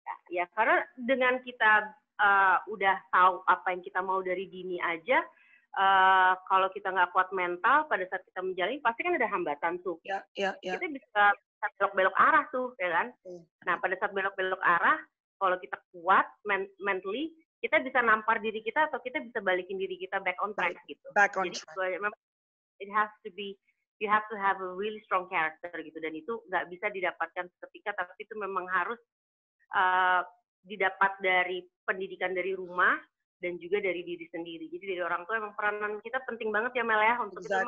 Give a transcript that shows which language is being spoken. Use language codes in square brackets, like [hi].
[id] Ya, karena dengan kita udah tahu apa yang kita mau dari dini aja, kalau kita nggak kuat mental pada saat kita menjalani, pasti kan ada hambatan tuh. Kita bisa belok-belok arah tuh, ya kan? Nah, pada saat belok-belok arah, kalau kita kuat [en] mentally, [id] kita bisa nampar diri kita atau kita bisa balikin diri kita [en] back on track [id] gitu. Back on track. [en] Jadi, it has to be, you have to have a really strong character gitu. [id] Dan itu nggak bisa didapatkan seketika, tapi itu memang harus didapat dari pendidikan dari rumah, dan juga dari diri sendiri. Jadi dari orang tua, emang peranan kita penting banget ya, Mel, ya, untuk kita.